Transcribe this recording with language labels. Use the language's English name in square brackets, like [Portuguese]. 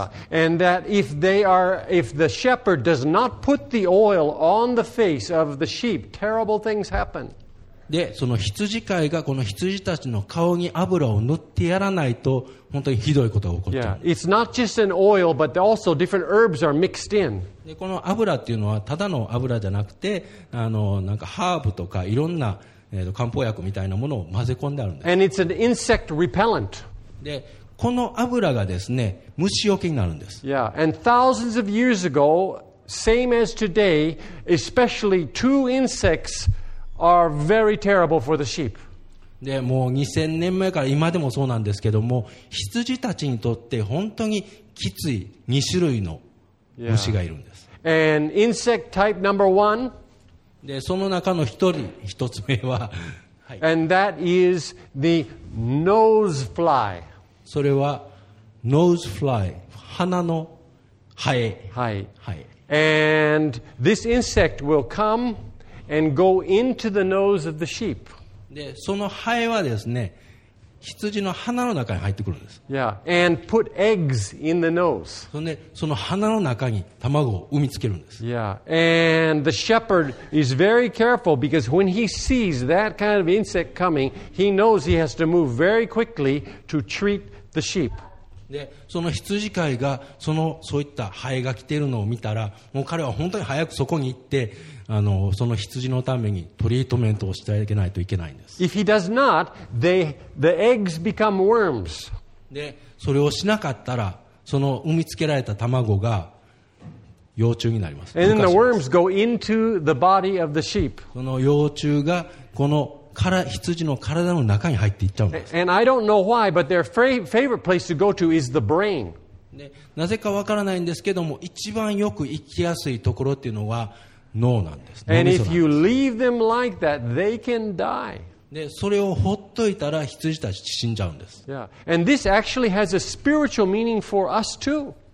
[English] yeah. And that if they are if the shepherd does not put the oil on the face of the sheep, terrible things happen. [Japanese] でその羊飼いがこの羊たちの顔に油を塗ってやらないと本当にひどいことが起こっちゃう。 [English] Yeah. It's not just an oil, but also different herbs are mixed in. [Japanese] でこの油っていうのはただの油じゃなくてなんかハーブとかいろんな、漢方薬みたいなものを混ぜ込んであるんです。 [English] And it's an insect repellent. [Japanese] でこの油がですね虫よけになるんです。 [English] Yeah. And thousands of years ago, same as today, especially two insects are very terrible for the sheep. [Japanese] でもう2000年前から今でもそうなんですけども羊たちにとって本当にきつい2種類の [English] Yeah. [Japanese] 虫がいるんです。 [English] And insect type number one. [Japanese] で、その中の一つ目は、は [English] い。And that is the nose fly. [Japanese] それは、nose fly。鼻のハエ。はい。はい。 [English] And this insect will come and go into the nose of the sheep. [Japanese] で、そのハエはですね、羊の鼻の中に入ってくるんです。 [English] Yeah. And put eggs in the nose. [Japanese] その鼻の中に卵を産みつけるんです。 [English] Yeah. And the shepherd is very careful because when he sees that kind of insect coming, he knows he has to move very quickly to treat the sheep. [Japanese] で、その羊飼いがそういったハエが来ているのを見たら、もう彼は本当に早くそこに行って、その羊のためにトリートメントをしていけないといけないんです。 [English] If he does not, the eggs become worms. [Japanese] で、それをしなかったら、その産みつけられた卵が幼虫になります。 [English] And then the worms go into the body of the sheep. [Japanese] その幼虫がこの羊の体の中に入っていっちゃうんです。 [English] And I don't know why, but their favorite place to go to is the brain. [Japanese] で、なぜかわからないんですけども、一番よく行きやすいところっていうのは、脳なんです。 [English] And if you leave them like that, they can die. [Japanese] で、それを放っといたら羊たち死んじゃうんです。 [English] Yeah. And this actually has a spiritual meaning for us too.